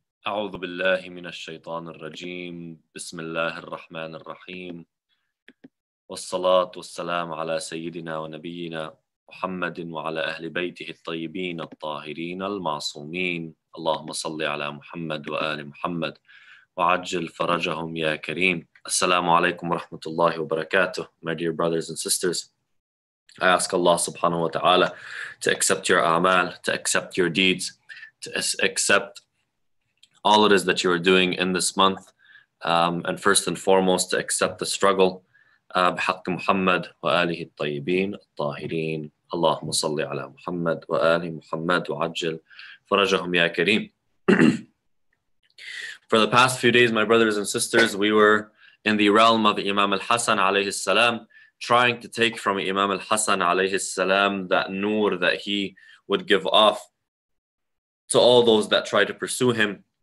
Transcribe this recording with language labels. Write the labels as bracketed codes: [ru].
[ar] أعوذ بالله من الشيطان الرجيم بسم الله الرحمن الرحيم والصلاة والسلام على سيدنا ونبينا محمد وعلى أهل بيته الطيبين الطاهرين المعصومين اللهم صل على محمد وآل محمد وعجل فرجهم يا كريم السلام عليكم ورحمة الله وبركاته [en] My dear brothers and sisters I ask Allah subhanahu wa ta'ala to accept your a'mal, to accept your deeds, to accept all it is that you are doing in this month, and first and foremost, to accept the struggle. [ar] بحق محمد وآله الطيبين الطاهرين اللهم صل على محمد وآله محمد وعجل فرجهم يا كريم. [en] For the past few days, my brothers and sisters, we were in the realm of Imam al-Hasan [ar] عليه السلام, [en] trying to take from Imam al-Hasan عليه السلام that nur that he would give off to all those that try to pursue him.